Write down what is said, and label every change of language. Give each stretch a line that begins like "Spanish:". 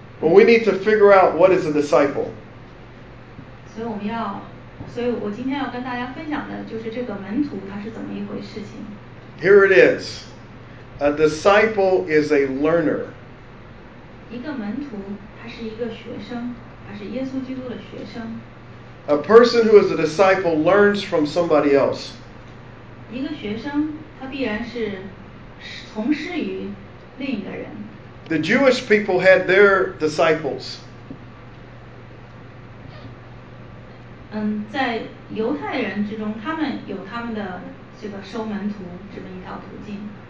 English: Well, we need to figure out what is a disciple.
Chinese: 所以我今天要跟大家分享的就是这个门徒它是怎么一回事情。
English: Here it is. A disciple is a learner.
Chinese: 一个门徒他是一个学生，他是耶稣基督的学生。
English: A person who is a disciple learns from somebody else.
Chinese: 一个学生他必然是从师于另一个人。
English: The Jewish people had their disciples.
Chinese: 在犹太人之中，他们有他们的这个收门徒这么一条途径。